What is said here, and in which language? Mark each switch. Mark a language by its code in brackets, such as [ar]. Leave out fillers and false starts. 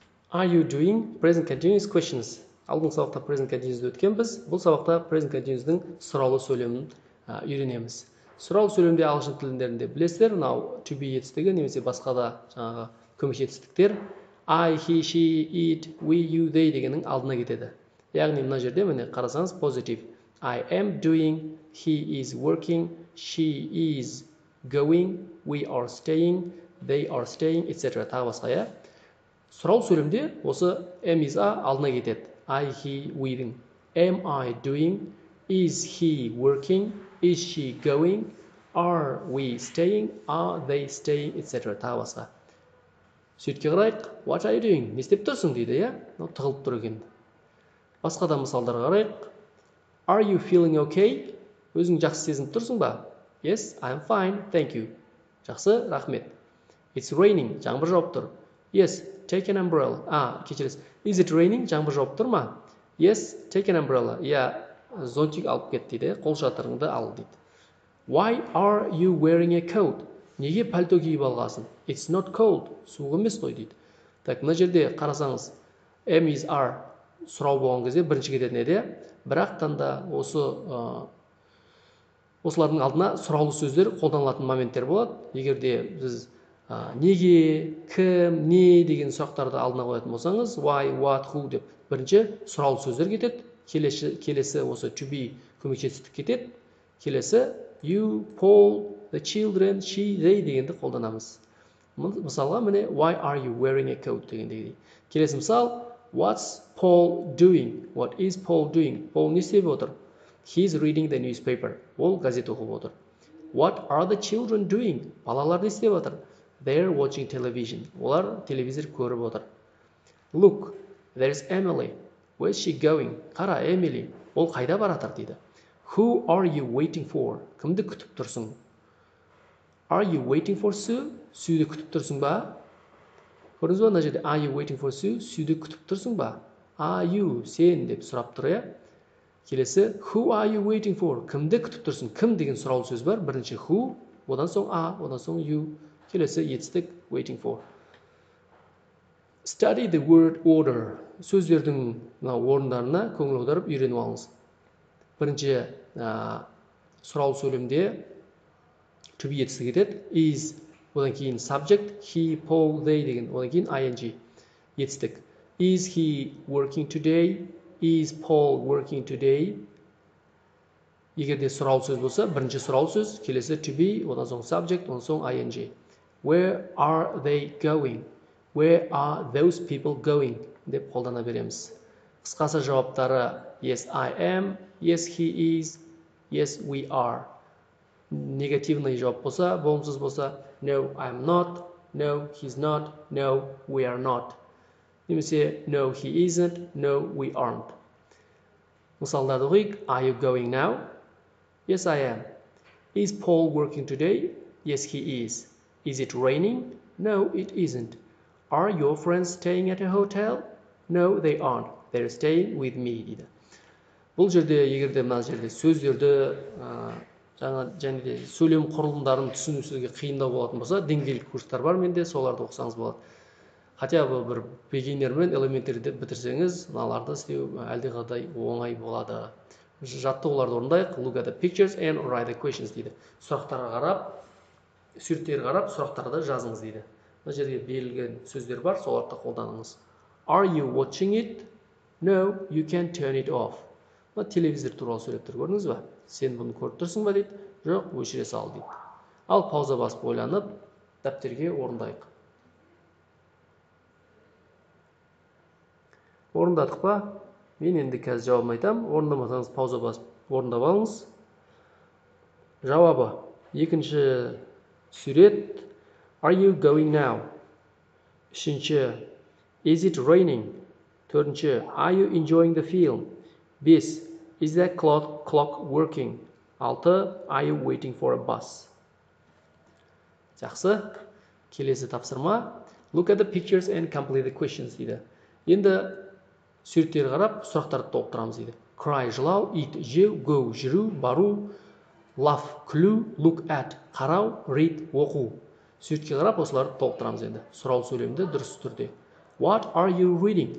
[en] Are you doing present continuous questions? [kk] Алдыңғы сабақта present continuous-ды өткенбіз. Бұл сабақта present continuous-дің сұраулы сөйлемін үйренеміз. Сұраулы сөйлемде ағылшын тілдерінде білесіздер, now to be етістігі немесе басқа да жаңағы көмеш етістіктер I, he, she, it, we, you, they дегеннің алдына кетеді. Яғни мына жерде міне қарасаңыз positive. [en] I am doing, he is working, she is going, we are staying, they are staying, etc. [kk] тағы басқа ya. Сұрау сөйлемде осы am is a алдына кетеді. [en] I, he, we-дің. Am I doing? Is he working? Is she going? Are we staying? Are they staying? Etc. [kk] тағы басқа. Сөйтке қарайық. [en] What are you doing? [kk] Не істеп тұрсың дейді, иә? Тығылып тұр екен. Басқа да мысалдар қарайық. [en] Are you feeling okay? [kk] Өзің жақсы сезініп тұрсың ба? [en] Yes, I'm fine. Thank you. [kk] Жақсы, рахмет. [en] It's raining. [kk] Жаңбыр жауып тұр. [en] Yes, take an umbrella. [kk] Кешіріңіз. [en] Is it raining? [kk] Жаңбыр жауып тұр ма? [en] Yes, take an umbrella. [kk] Yeah, зонтик алып кет дейді. Қол шатырыңды ал дейді. [en] Why are you wearing a coat? [kk] Неге пальто киіп алғансың? [en] It's not cold. [kk] Суық емес қой дейді. Так, мына жерде қарасаңыз, am is are сұрау болған кезде бірінші кетеді неде? Бірақ таңда осы осылардың алдына сұраулы сөздер қолданылатын моменттер болады. Егер де біз неге, кім, не деген сұрақтарды алдына қоятын болсаңыз, why, what, who деп бірінші сұраулы сөздер кетеді. Келесі осы to be көмекшісі кетеді. Келесі you, Paul, the children, she, they дегенді қолданамыз. Мысалға міне [en] why are you wearing a coat [kk] дегенде. Келесі мысал [en] what's Paul doing? What is Paul doing? [kk] Paul не істеп отыр? [en] He's reading the newspaper. [kk] Ол газет оқып отыр. [en] What are the children doing? [kk] Балалар не істеп отыр? [en] They're watching television. [kk] Олар телевизор көріп отыр. [en] Look, there's Emily. Where's she going? [kk] Қара, [en] Emily. [kk] Ол қайда баратыр дейді. [en] Who are you waiting for? [kk] Кімді күтіп тұрсың? [en] Are you waiting for Sue? [kk] Сүйді күтіп тұрсың ба? Көріңіз ба, на жерде. [en] Are you waiting for Sue? [kk] Сүйді күтіп тұрсың ба? [en] Are you? [kk] Сен деп сұрап тұр, е? [en] Келесі, who are you waiting for? [kk] Кімді күтіп тұрсың? Кім деген сұраулы сөз бар. Бірінші who, одан соң are, одан соң you. Келесі етістік waiting for. [en] Study the word order. [kk] Сөздердің орындарына көңіл аударып үйреніп алыңыз. Бірінші сұраулы сөйлемде to be етістік кетеді. Is, одан кейін subject, he, Paul, they деген, одан кейін ing етістік. [en] Is he working today? Is Paul working today? [kk] Егер де сұраулы сөз болса, бірінші сұраулы сөз, келесі to be, одан соң subject, одан соң ing. [en] Where are they going? Where are those people going? [kk] Деп қолдана береміз. Қысқасы жауаптары [en] yes, I am. Yes, he is. Yes, we are. [kk] Негативный жауап болса, болымсыз болса [en] no, I'm not. No, he's not. No, we are not. [kk] Немесе [en] no, he isn't. No, we aren't. [kk] Мысалдарды оқиық. [en] Are you going now? Yes, I am. Is Paul working today? Yes, he is. Is it raining? No, it isn't. Are your friends staying at a hotel? No, they aren't. They're staying with me. [kk] Бұл жерде, егер де мына жерде сөздерді жаңа және де сөйлем құрылымдарын түсіну сізге қиындау болатын болса, деңгейлік курстар бар менде, соларды оқысаңыз болады. Хотя бы бір beginner мен elementary деп бітірсеңіз, мыналарды істеу әлдеқайдай оңай болады. Жаттығуларды орындайық. [en] Look at the pictures and write the questions дейді. [kk] Сұрақтарға қарап сүрттер қарап сұрақтарды жазыңыз дейді. Мына жерде берілген сөздер бар, соларды қолданыңыз. [en] Are you watching it? No, you can turn it off. [kk] Мына телевизор туралы сөйлеп тұр, көрдіңіз ба? Сен бұны көріп тұрсың ба дейді? Жоқ, өшіре сал дейді. Ал пауза басып ойланып, дәптерге орындайық. Орындадық па? Мен енді қазір жауабын айтамын. Орындамасаңыз пауза басып орындап алыңыз. Жауабы екінші сурет. [en] Are you going now? [kk] Үшінші. [en] Is it raining? [kk] Төртінші. [en] Are you enjoying the film? [kk] Бес. [en] Is that clock working? [kk] Алты. [en] Are you waiting for a bus? [kk] Жақсы. Келесі тапсырма. [en] Look at the pictures and complete the questions дейді. [kk] Енді суреттерге қарап сұрақтарды толықтырамыз дейді. Cry жылау, eat жеу, go жүру, бару. Love, күлу, look at, қарау, read, оқу. Сөйтке қарап осыларды толықтырамыз енді. Сұраулы сөйлемді дұрыс түрде. [en] What are you reading?